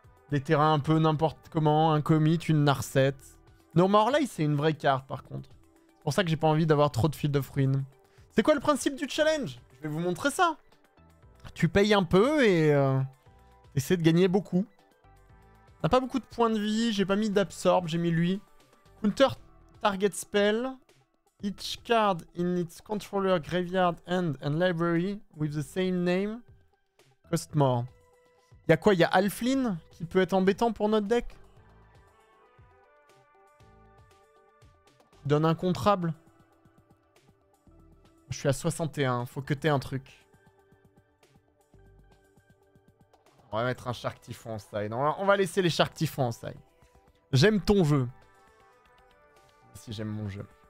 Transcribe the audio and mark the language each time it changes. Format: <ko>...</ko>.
<fr>Des terrains un peu n'importe comment. Un commit, une Narset. No More Lies, c'est une vraie carte par contre. C'est pour ça que j'ai pas envie d'avoir trop de Field of Ruin. C'est quoi le principe du challenge? Je vais vous montrer ça. Tu payes un peu et essaie de gagner beaucoup. T'as pas beaucoup de points de vie, j'ai pas mis d'absorb, j'ai mis lui.</fr> <en>Counter target spell. Each card in its controller, graveyard, hand and library with the same name cost more.</en> <fr>Y'a quoi? Y'a Alflin qui peut être embêtant pour notre deck. Donne incontrable. Je suis à 61, faut que t'aies un truc. On va mettre un Shark Typhon en side. On va laisser les Shark Typhon en side. J'aime ton jeu. Si j'aime mon jeu.</fr>